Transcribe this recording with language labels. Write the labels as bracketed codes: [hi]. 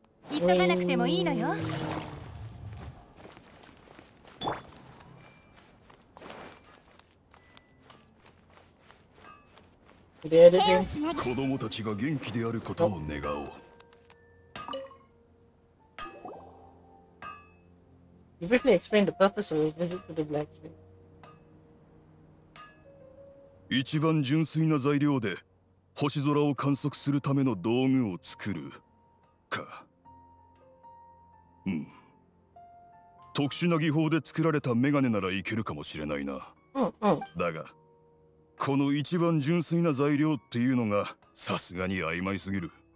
[ja] 急がなくてもいいのよ。手をつなぎ、子供たちが元気であることを願おう。 [en] You briefly explained the purpose of a visit to the blacksmith. [ja] 一番純粋な材料で星空を観測するための道具を作るか。特殊な技法で作られたメガネならいけるかもしれないな。だが、この一番純粋な材料っていうのがさすがに曖昧すぎる。